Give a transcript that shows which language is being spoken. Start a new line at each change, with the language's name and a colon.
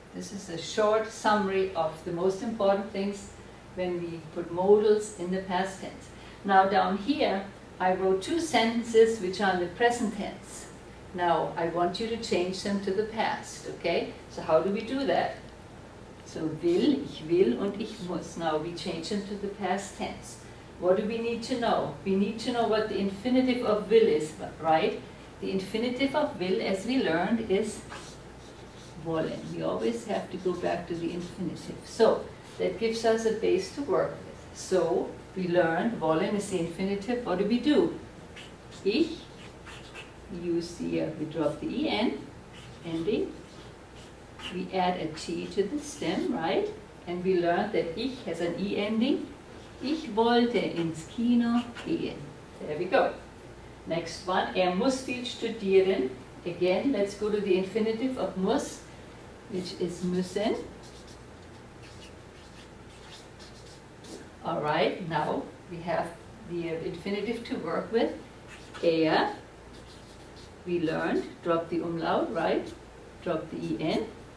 English: This is a short summary of the most important things when we put modals in the past tense. Now down here, I wrote two sentences which are in the present tense. Now I want you to change them to the past, okay? So how do we do that? So will,
German: ich will und ich muss.
English: Now we change them to the past tense. What do we need to know? We need to know what the infinitive of will is, right? The infinitive of will, as we learned, is wollen. We always have to go back to the infinitive. So, that gives us a base to work with. So, we learned wollen is the infinitive. What do? Ich, use the, we drop the en, ending. We add a t to the stem, right? And we learned that ich has an e ending.
German: Ich wollte ins Kino gehen. There we go.
English: Next one,
German: muss viel studieren.
English: Again, let's go to the infinitive of muss, which is müssen. All right, now we have the infinitive to work with. We learned, drop the umlaut, right? Drop the en.